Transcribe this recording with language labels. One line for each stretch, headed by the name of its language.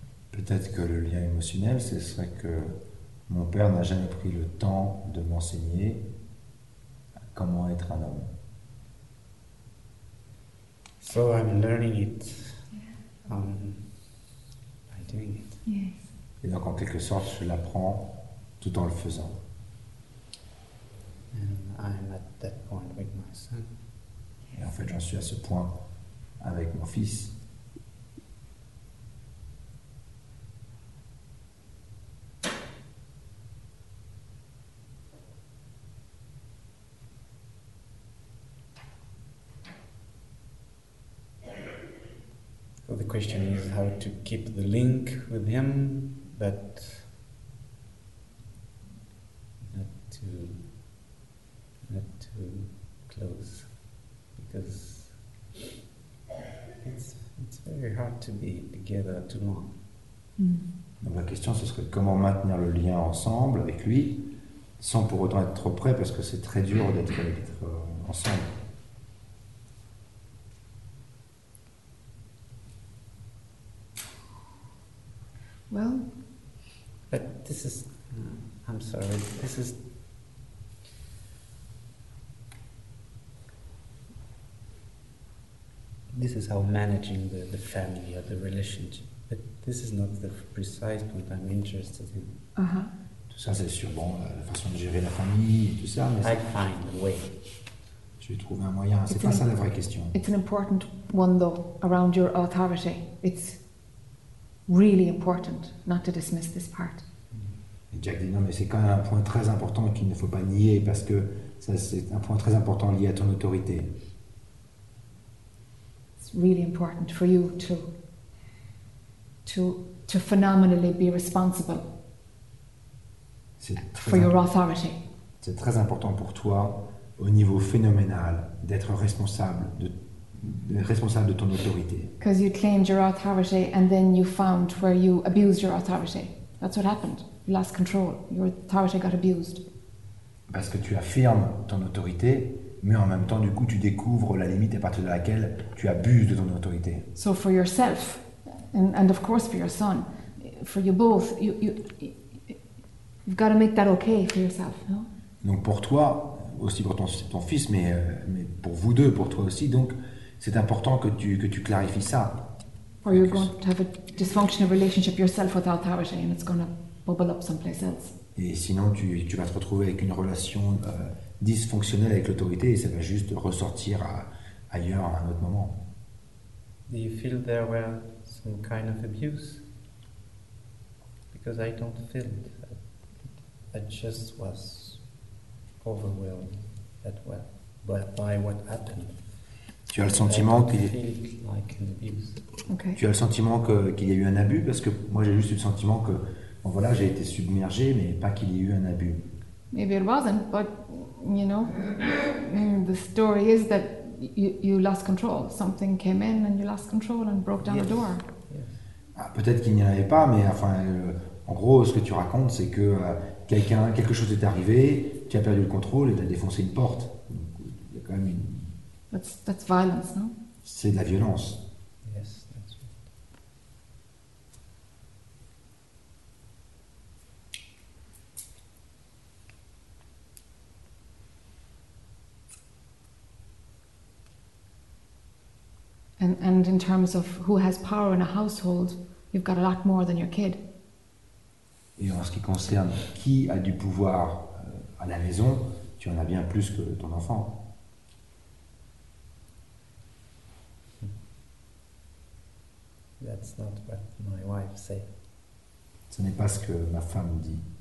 French: Peut-être que le lien émotionnel, ce serait que mon père n'a jamais pris le temps de m'enseigner comment être un homme.
English: So I'm learning it by doing it. Yes.
French: Et donc en quelque sorte, je l'apprends tout en le faisant.
English: And I'm at that point with my son.
French: Et en fait, j'en suis à ce point avec mon fils.
English: The question is how to keep the link with him, but not too close, because it's very hard to be together too long. Mm.
French: Donc la question ce serait comment maintenir le lien ensemble avec lui, sans pour autant être trop près, parce que c'est très dur d'être ensemble.
English: Well, but this is, I'm sorry, this is, how managing the family or the relationship, but this is not the precise point I'm interested in. Uh-huh.
French: Tout ça, c'est sûr, bon, la façon de gérer la famille et tout ça, mais
English: I find a way.
French: Je vais trouver un moyen, c'est pas ça la vraie question.
English: It's an important one, though, around your authority. It's really important not to dismiss this part.
French: Et Jack dit non, mais c'est quand même un point très important qu'il ne faut pas nier, parce que ça, c'est un point très important lié à ton autorité.
English: It's really important for you to phenomenally be responsible for your authority.
French: C'est très important pour toi au niveau phénoménal d'être responsable de ton autorité.
English: Because you claimed your authority and then you found where you abused your authority. That's what happened. You lost control. Your authority got abused.
French: Parce que tu affirmes ton autorité, mais en même temps, du coup, tu découvres la limite à partir de laquelle tu abuses de ton autorité.
English: So for yourself, and of course for your son, for you both, you've got to make that okay for yourself, no?
French: Donc pour toi, aussi pour ton fils, mais pour vous deux, pour toi aussi, donc c'est important que tu clarifies ça.
English: or you're going to have a dysfunctional relationship yourself with authority, and it's going to bubble up someplace else.
French: Et sinon, tu vas te retrouver avec une relation dysfonctionnelle avec l'autorité, et ça va juste ressortir ailleurs à un autre moment.
English: Do you feel there were some kind of abuse? Because I don't feel that. I just was overwhelmed that well by what happened.
French: Tu as le sentiment qu'il
English: okay.
French: Tu as le sentiment qu'il y a eu un abus, parce que moi j'ai juste eu le sentiment que bon voilà, j'ai été submergé, mais pas qu'il y ait eu un abus.
English: Maybe it wasn't, but you know, the story is that you lost control. Something came in and you lost control and broke down yes. the door. Yes.
French: Ah, peut-être qu'il n'y en avait pas, mais enfin, en gros, ce que tu racontes, c'est que quelque chose est arrivé, tu as perdu le contrôle et tu as défoncé une porte. Donc, il y a quand même une.
English: That's violence, no?
French: C'est de la violence.
English: Yes, that's right. And in terms of who has power in a household, you've got a lot more than your kid.
French: Et en ce qui concerne qui a du pouvoir à la maison, tu en as bien plus que ton enfant.
English: That's not what my wife say.
French: Ce n'est pas ce que ma femme dit.